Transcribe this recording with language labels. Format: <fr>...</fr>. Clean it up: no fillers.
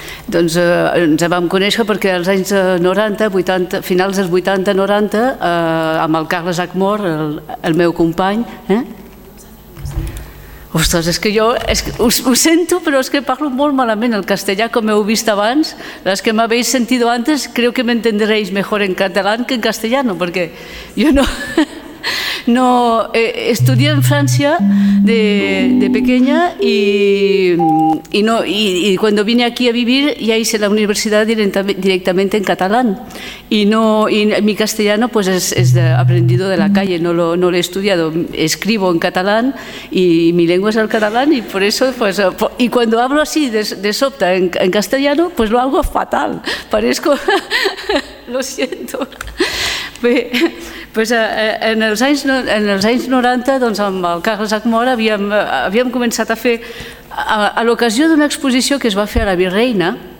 <ca>Doncs ens vam conèixer perquè als anys 90, 80, finals dels 80-90, amb el Carles Agmor, el meu company, Ostres, és que jo és que ho sento, però és que parlo molt malament el castellà, com heu vist abans. Les que m'habéis sentit abans,</ca> <es>creo que m'entendreis mejor en català que en castellano,</es> <ca>perquè jo no</ca> <es>estudié en Francia de pequeña y cuando vine aquí a vivir ya hice la universidad directamente en catalán y mi castellano pues es aprendido de la calle, no lo he estudiado, escribo en catalán y mi lengua es el catalán y por eso pues y cuando hablo así de sopta en castellano pues lo hago fatal, parezco lo siento.</es> <ca>Bé, pues en els anys 90, doncs amb el Carles Agmor havíem començat a fer a l'ocasió d'una exposició que es va fer a la Virreina,</ca>